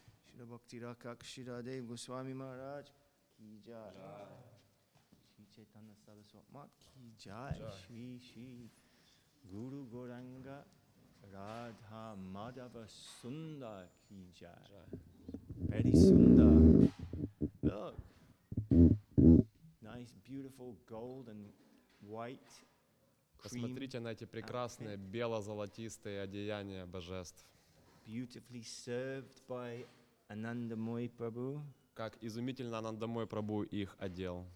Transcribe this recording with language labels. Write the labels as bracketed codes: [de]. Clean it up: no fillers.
[hi] श्री भक्ति राखक श्री देव गोस्वामी महाराज की जय। श्री चैतन्य सरस्वत की जय। श्री श्री गुरु गौरांग राधा माधव सुंदर की जय। [en] Very सुंदर look, nice beautiful gold and white cream. [ru] Посмотрите на эти прекрасные бело-золотистые одеяния божеств. [en] Beautifully served by Anandamoy Prabhu. [ru] Как изумительно Анандамой Прабху их одел.